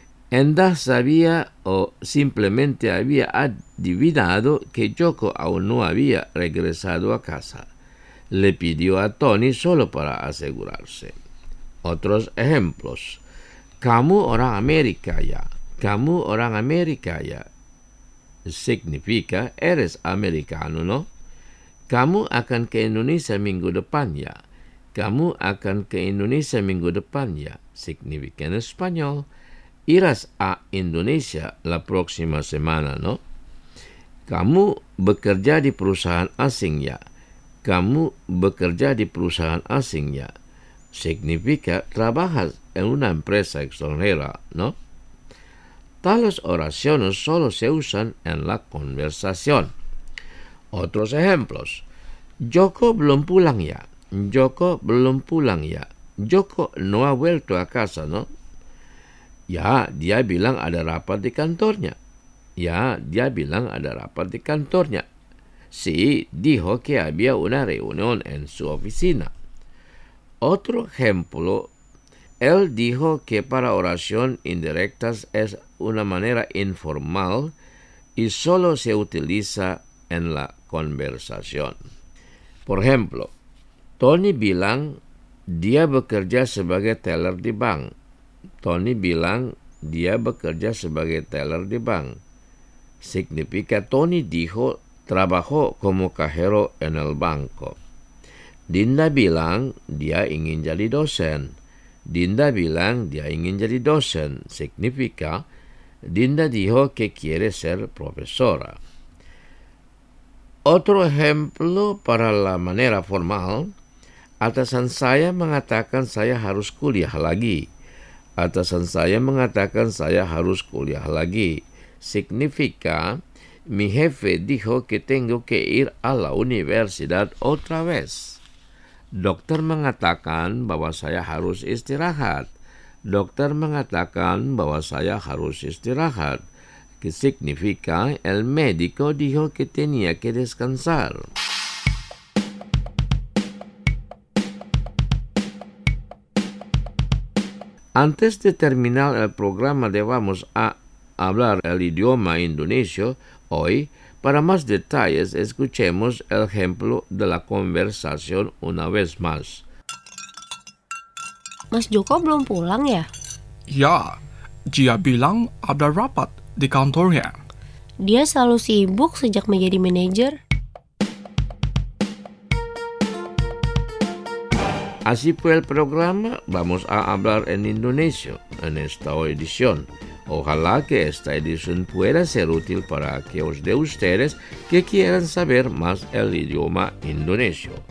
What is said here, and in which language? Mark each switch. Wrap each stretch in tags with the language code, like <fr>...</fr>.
<es>Endah sabía o simplemente había adivinado que Joko aún no había regresado a casa. Le pidió a Tony solo para asegurarse. Otros ejemplos.</es> <id>Kamu orang Amerika ya. Kamu orang Amerika ya.</id> <es>Significa eres americano, ¿no?</es> <id>Kamu akan ke Indonesia minggu depan ya. Kamu akan ke Indonesia minggu depan ya.</id> <es>Significa en español. Irás a Indonesia la próxima semana, ¿no?</es> <id>Kamu bekerja di perusahaan asing ya. Kamu bekerja di perusahaan asing ya.</id> <es>Significa trabajas en una empresa extranjera, ¿no? Tales oraciones solo se usan en la conversación. Otros ejemplos.</es> <id>Joko belum pulang ya. Joko belum pulang ya.</id> <es>Joko no ha vuelto a casa, ¿no?</es> <id>Ya, dia bilang ada rapat di kantornya. Ya, dia bilang ada rapat di kantornya.</id> <es>Si, dijo que había una reunión en su oficina. Otro ejemplo. Él dijo que para oración indirectas es una manera informal y solo se utiliza en la conversación. Por ejemplo,</es> <id>Tony bilang dia bekerja sebagai teller di bank. Tony bilang dia bekerja sebagai teller di bank.</id> <es>Significa Tony dijo trabajó como cajero en el banco.</es> <id>Dinda bilang dia ingin jadi dosen. Dinda bilang dia ingin jadi dosen.</id> <es>Significa Dinda dijo que quiere ser profesora. Otro ejemplo para la manera formal.</es> <id>Atasan saya mengatakan saya harus kuliah lagi. Atasan saya mengatakan saya harus kuliah lagi.</id> <es>Significa, mi jefe dijo que tengo que ir a la universidad otra vez.</es> <id>Dokter mengatakan bahwa saya harus istirahat. Dokter mengatakan bahwa saya harus istirahat.</id> <es>Que significa, el médico dijo que tenía que descansar. Antes de terminar el programa de Vamos a Hablar el Idioma Indonesio, hoy, para más detalles, escuchemos el ejemplo de la conversación una vez más.</es> <id>Mas Joko belum pulang ya? Ya, Jia bilang ada rapat di kantornya. Dia selalu sibuk sejak menjadi manajer.</id> <es>Así fue el programa Vamos a hablar en Indonesia en esta edición. Ojalá que esta edición pueda ser útil para aquellos de ustedes que quieran saber más el idioma indonesio.</es>